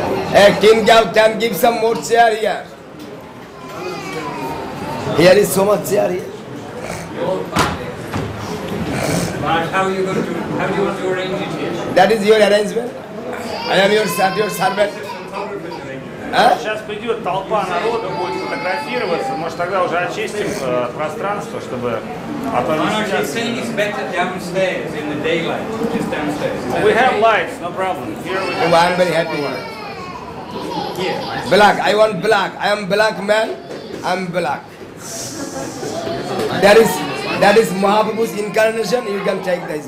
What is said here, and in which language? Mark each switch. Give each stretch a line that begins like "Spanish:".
English: Hey, King Gao, can give some more chair here. Here is so much chair here. How are you going to arrange it here? That is your arrangement. I am your servant.
Russian: Сейчас придет толпа народа, будет фотографироваться. Может тогда уже очистим пространство, чтобы.
English: Are you saying it's better downstairs in the daylight, just downstairs? We have lights, no problem. Here we go. Oh, I'm very happy. Here. Black. I want black. I am black man. I'm black. That is Mahaprabhu's incarnation, you can take this.